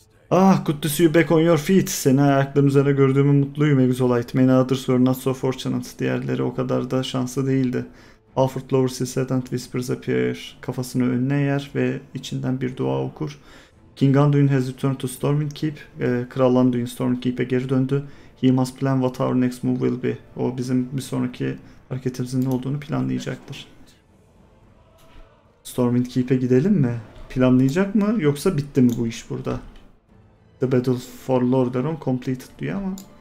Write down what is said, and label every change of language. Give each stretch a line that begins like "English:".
English: Ah, good to see you back on your feet.
Turkish: Seni ayakların üzerine gördüğümü mutluyum,
English: Exolite. Many others were not so fortunate.
Turkish: Diğerleri o kadar da şanslı değildi.
English: Halford lowers his head and whispers a prayer.
Turkish: Kafasını önüne yer ve içinden bir dua okur.
English: King Anduin has returned to Stormwind Keep.
Turkish: Kral Anduin Stormwind Keep'e geri döndü.
English: He must plan what our next move will be.
Turkish: O bizim bir sonraki hareketimizin ne olduğunu planlayacaktır. Stormwind Keep'e gidelim mi? Planlayacak mı? Yoksa bitti mi bu iş burada?
English: The battle for Lordaeron completed
Turkish: diyor ama.